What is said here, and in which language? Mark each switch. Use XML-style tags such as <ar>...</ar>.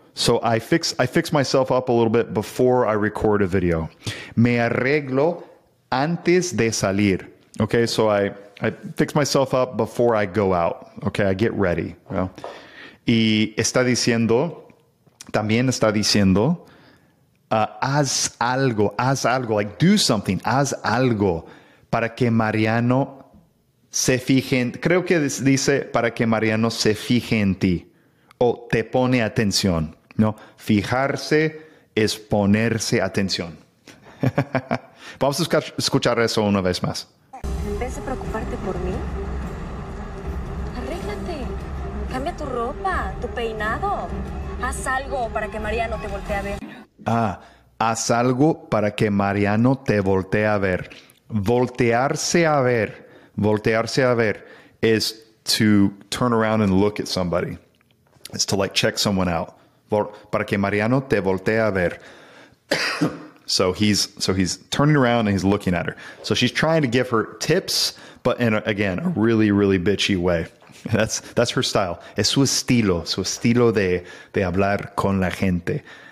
<en>So I fix myself up a little bit before I record a video.</en> <es>Me arreglo antes de salir.</es> <en>Okay, so I fix myself up before I go out. Okay, I get ready.</en> <es>Well, y está diciendo, también está diciendo, haz algo,</es> <en>like do something,</en> <es>haz algo para que Mariano se fije en, creo que dice para que Mariano se fije en ti o te pone atención, ¿no? Fijarse es ponerse atención. Vamos a escuchar eso una vez más. ¿Ves a preocuparte por mí? Arréglate. Cambia tu ropa, tu peinado. Haz algo para que María no te voltee a ver. Ah, haz algo para que Mariano te voltee a ver. Voltearse a ver.</es> <en>Voltearse a ver is to turn around and look at somebody. It's to like check someone out.</en> <es>Para que Mariano te voltee a ver.</es> <en>So he's turning around and he's looking at her. So she's trying to give her tips, but in a really, really bitchy way. That's her style.</en> <es>Es su estilo de hablar con la gente.</es>